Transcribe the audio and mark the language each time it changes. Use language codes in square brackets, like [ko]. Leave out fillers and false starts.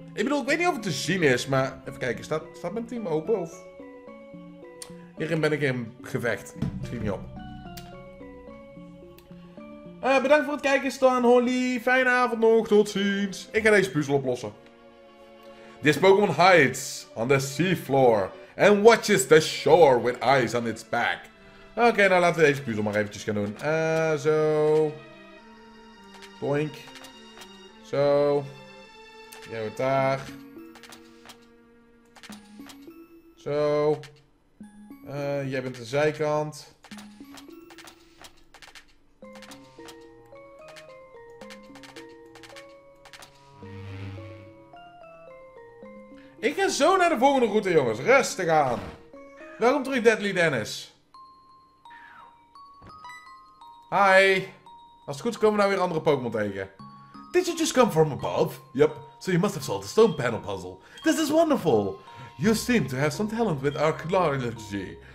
[nl] Ik bedoel, ik weet niet of het te zien is, maar even kijken. Staat mijn team open? Of... hierin ben ik in gevecht. Schiet niet op. Bedankt voor het kijken, Stan, Holly. Fijne avond nog. Tot ziens. Ik ga deze puzzel oplossen. [en] This Pokémon hides on the seafloor and watches the shore with eyes on its back. [nl] Oké, nou laten we deze puzzel maar eventjes gaan doen. Zo. Boink. Zo. Jij wordt daar. Zo. Jij bent de zijkant. Ik ga zo naar de volgende route, jongens. Rustig aan. Welkom terug, Deadly Dennis. Hi. Als het goed is, komen we nou weer andere Pokémon tegen. [en] Did you just come from above? Yep. So you must have solved the stone panel puzzle. This is wonderful. You seem to have some talent with archaeology.